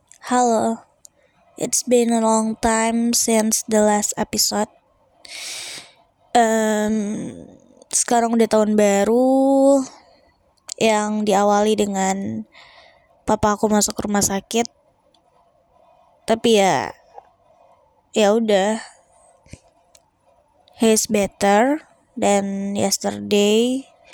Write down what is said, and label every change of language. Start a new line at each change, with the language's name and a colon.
English: Hello, it's been a long time since the last episode.
Indonesian: Sekarang udah tahun baru yang diawali dengan papa aku masuk rumah sakit. Tapi ya udah,
English: he's better than yesterday.